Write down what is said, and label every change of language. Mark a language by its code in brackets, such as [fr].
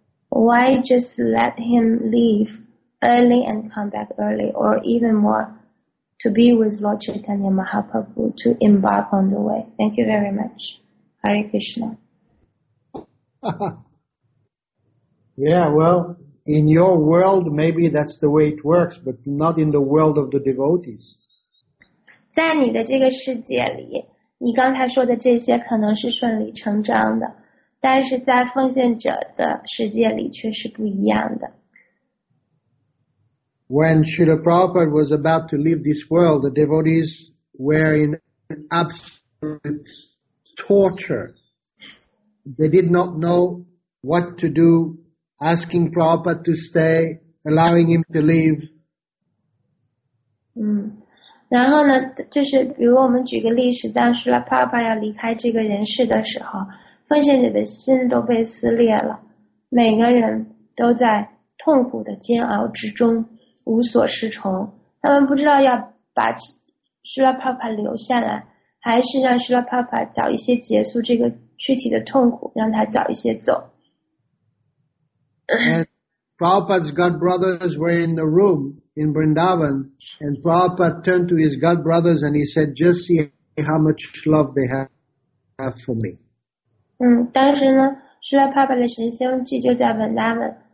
[en] Why just let him leave early and come back early, or even more, to be with Lord Chaitanya Mahaprabhu, to embark on the way? Thank you very much. Hare Krishna. Yeah, well, in your world, maybe that's the way it works, but not in the world of the devotees. [zh] 在你的这个世界里，你刚才说的这些可能是顺理成章的，但是在奉献者的世界里却是不一样的。 [en] When Srila Prabhupada was about to leave this world, the devotees were in absolute torture. They did not know what to do, asking Prabhupada to stay, allowing him to leave. [zh] 然后呢，就是比如我们举个例子，当Srila Prabhupada要离开这个人世的时候，奉献者的心都被撕裂了，每个人都在痛苦的煎熬之中。无所适从，他们不知道要把施拉帕帕留下来，还是让施拉帕帕早一些结束这个躯体的痛苦，让他早一些走。 [en] And Prabhupada's god brothers were in the room in Vrindavan, and Prabhupada turned to his god brothers and he said, "Just see how much love they have for me." [zh] 当时呢，施拉帕帕的神仙记就在 Vrindavan。